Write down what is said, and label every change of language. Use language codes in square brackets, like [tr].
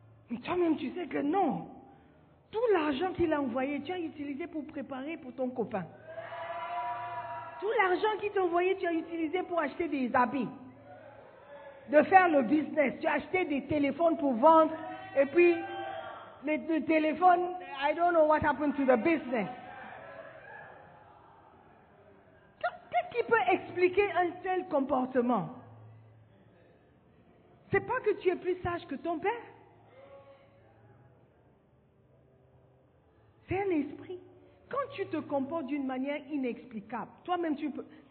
[fr] Mais toi-même, tu sais que non. Tout l'argent qu'il a envoyé, tu as utilisé pour préparer pour ton copain. Tout l'argent qu'il t'a envoyé, tu as utilisé pour acheter des habits. De faire le business. Tu as acheté des téléphones pour vendre. Et puis, le téléphone, [en] I don't know what happened to the business. [fr] Qu'est-ce qui peut expliquer un tel comportement? C'est pas que tu es plus sage que ton père. C'est un esprit. Quand tu te comportes d'une manière inexplicable, toi-même, tu peux...